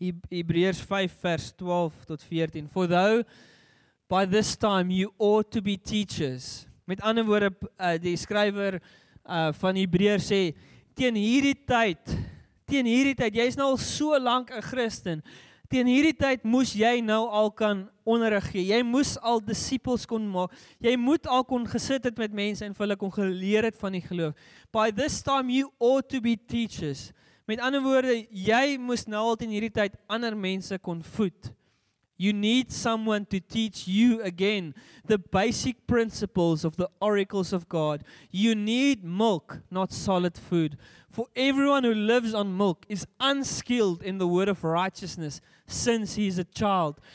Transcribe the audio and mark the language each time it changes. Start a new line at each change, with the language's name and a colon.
English: Hebrews 5 verse 12 tot 14. For though by this time you ought to be teachers.
Afrikaans: Met ander woorde, die skrywer van Hebreërs sê, teen hierdie tyd, jy is nou al so lank 'n Christen, teen hierdie tyd moes jy nou al kan onderrig gee, jy moes al disippels kon maak, jy moet al kon gesit het met mense en vir hulle kon geleer het van die geloof.
English: By this time you ought to be teachers.
Afrikaans: Met ander woorde, jy moes nou al in hierdie tyd ander mense kon voed.
English: You need someone to teach you again the basic principles of the oracles of God. You need milk, not solid food. For everyone who lives on milk is unskilled in the word of righteousness since he is a child.